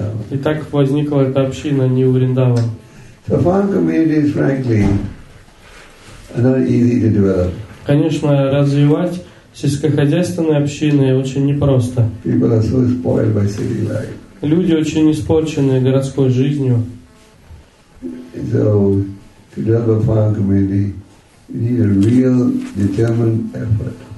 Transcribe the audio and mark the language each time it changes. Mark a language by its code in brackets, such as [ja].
[ru] И так возникла эта община Нью Вриндаван. [en] The farm community, frankly, are not easy to develop. [ru] Конечно, развивать Сельскохозяйственная община очень непроста. [en] People are so spoiled by city life. [ru] Люди очень испорчены городской жизнью. [en] So, to develop farm community, you need a real, determined effort.